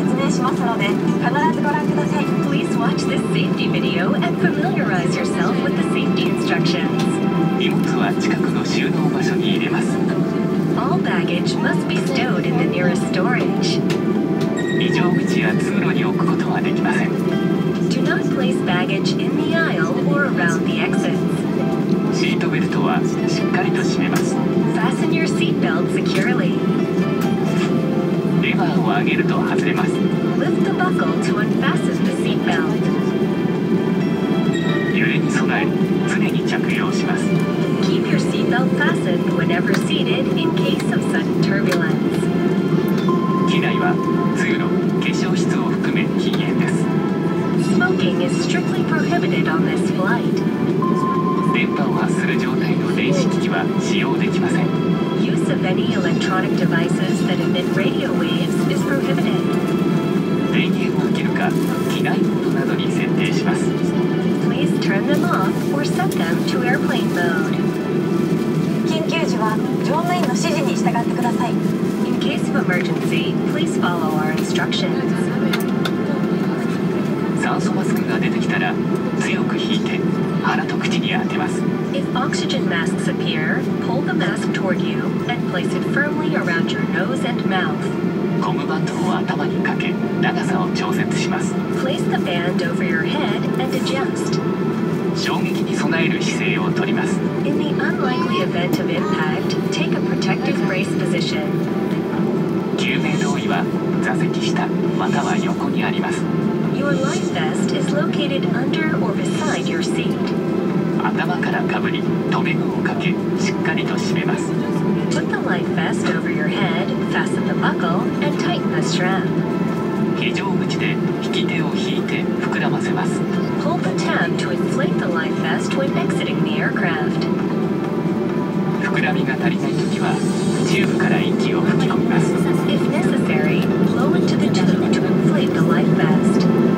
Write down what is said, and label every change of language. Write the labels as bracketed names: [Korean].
[English] Please watch this safety video and familiarize yourself with the safety instructions. [Japanese] 荷物は近くの収納場所に入れます。 [English] All baggage must be stowed in the nearest storage. [Japanese] 非常口や通路に置くことはできません。 [English] Do not place baggage in the aisle or around the exits. [Japanese] シートベルトはしっかりと締めます。 [English] Fasten your seat belt securely. [Japanese] レバーを上げると外れます。 [English] Lift the buckle to unfasten the seat belt. [Japanese] 揺れに備え、常に着用します。 [English] Keep your seat belt fastened whenever seated in case of sudden turbulence. [Japanese] 機内は通路、化粧室を含め禁煙です。 [English] Smoking is strictly prohibited on this flight. [Japanese] 電波を発する状態の電子機器は使用できません。 [English] Of any electronic devices that emit radio waves is prohibited. [Japanese] 電源を切るか、機内モードなどに設定します。 [English] Please turn them off or set them to airplane mode. [Japanese] 緊急時は乗務員の指示に従ってください。 [English] In case of emergency, please follow our instructions. [Japanese] 酸素マスクが出てきたら、強く引いて鼻と口に当てます。 [English] If oxygen masks appear, pull the mask toward you and place it firmly around your nose and mouth. [Japanese] ゴムバンドを頭にかけ、長さを調節します。 [English] Place the band over your head and adjust. [Japanese] 衝撃に備える姿勢をとります。 [English] In the unlikely event of impact, take a protective brace position. [Japanese] 救命胴衣は座席下または横にあります。 [English] Your life vest is located under or beside your seat. [Japanese] 頭からかぶり、留め具をかけ、しっかりと締めます。 [English] Put the life vest over your head, fasten the buckle, and tighten the strap. [Japanese] 非常口で引き手を引いて膨らませます。 [English] Pull the tab to inflate the life vest when exiting the aircraft. [Japanese] 膨らみが足りないときは、チューブから息を吹き込みます。 [English] If necessary, blow into the tube to inflate the life vest.